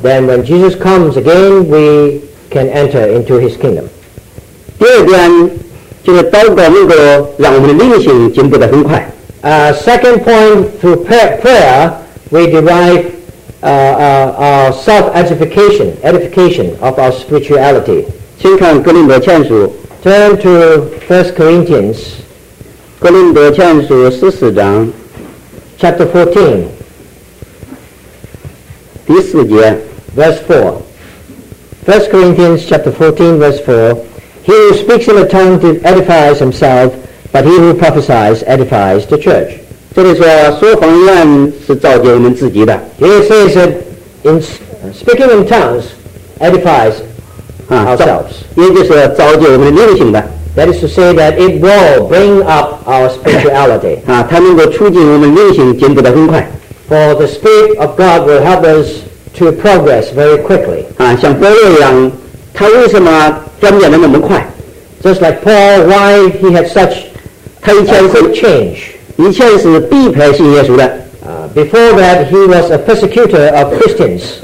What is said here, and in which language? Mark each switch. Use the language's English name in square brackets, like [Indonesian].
[English] Then when Jesus comes again, we can enter into His kingdom. [Chinese] 第二点，就是祷告能够让我们的灵性进步得很快。 [English] Second point, through prayer, we derive our self-edification, edification of our spirituality. [Chinese] 请看哥林德前书, [English] turn to 1 Corinthians, [Chinese] 哥林德前书14章, [English] chapter 14, [Chinese] 第四节, [English] verse 4. 1 Corinthians chapter 14, verse 4. He who speaks in a tongue edifies himself, but he who prophesies edifies the church. [Chinese] 这里说说谎言是造就我们自己的。 [English] He says that in speaking in tongues edifies ourselves. [Chinese] 也就是造就我们的灵性的。 [English] That is to say that it will bring up our spirituality. [Chinese] 它能够促进我们灵性进步得很快。 [English] For the Spirit of God will help us to progress very quickly. [Chinese] 像保罗一样，他为什么转变得那么快？ [English] Just like Paul, why he had such a quick change? [Chinese] 以前是逼迫信耶稣的。 [English] Before that, he was a persecutor of Christians.